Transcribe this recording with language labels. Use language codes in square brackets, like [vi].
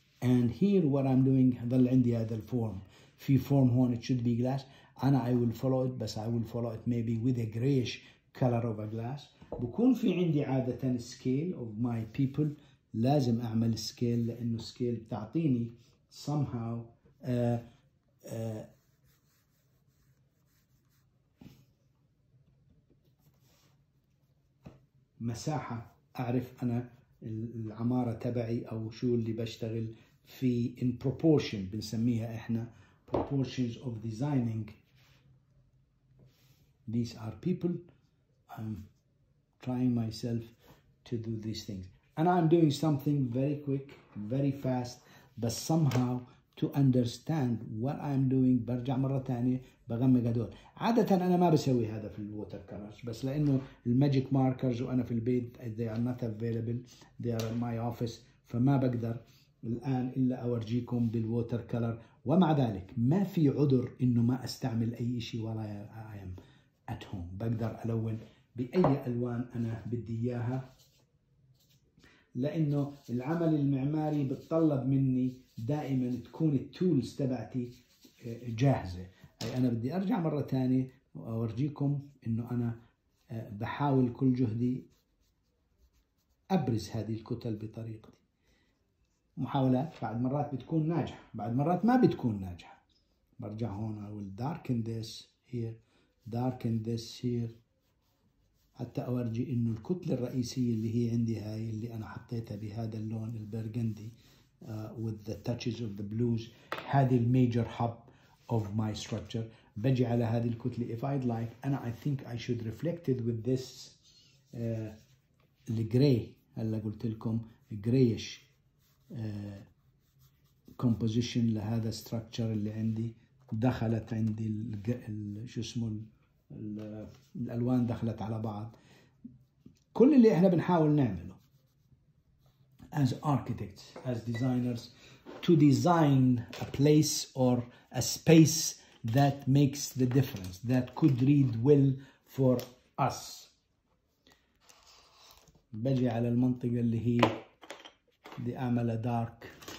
[en] And here what I'm doing، [ar] ظل عندي هذا الفورم، في فورم هون [en] it should be glass. [ar] أنا [en] I will follow it، [ar] بس [en] I will follow it maybe with a grayish color of a glass. [ar] بكون في عندي عادة [en] scale of my people، [ar] لازم أعمل scale لأنه scale بتعطيني somehow مساحة أعرف أنا العمارة تبعي أو شو اللي بشتغل في [en] in proportion، [ar] بنسميها إحنا [en] proportions of designing. These are people. I'm trying myself to do these things. And I'm doing something very quick, very fast, but somehow to understand what I'm doing. [ar] برجع مرة تانية بغمق هدول. عادة أنا ما بسوي هذا في الووتر كولرز، بس لأنه الماجيك ماركرز وأنا في البيت [en] they are not available. They are in my office. [ar] فما بقدر الآن إلا أورجيكم بالووتر كولر. ومع ذلك ما في عذر إنه ما أستعمل أي شيء ولا [en] I am at home. [ar] بقدر ألون بأي ألوان أنا بدي إياها، لأنه العمل المعماري بتطلب مني دائما تكون التولز تبعتي جاهزة. أي أنا بدي أرجع مرة تانية وأورجيكم إنه أنا بحاول كل جهدي أبرز هذه الكتل بطريقتي. محاولات بعد مرات بتكون ناجحة، بعد مرات ما بتكون ناجحة. برجع هون [en] I will darken this here, [ar] darken this here، حتى أورجي إنه الكتلة الرئيسية اللي هي عندي هاي اللي أنا حطيتها بهذا اللون البرغندي [en] with the touches of the blues، [ar] هذه الميجر [en] hub of my structure. [ar] بجي على هذه الكتلة [en] if I'd like، [ar] أنا [en] I think I should reflect it with this gray. [ar] هلا قلت لكم [en] grayish composition [ar] لهذا structure اللي عندي. دخلت عندي شو اسمه الألوان دخلت على بعض. كل اللي احنا بنحاول نعمله [en] as architects as designers to design a place or a space that makes the difference that could read well for us. [ar] بجي على المنطقة اللي هي دي أعمل دارك.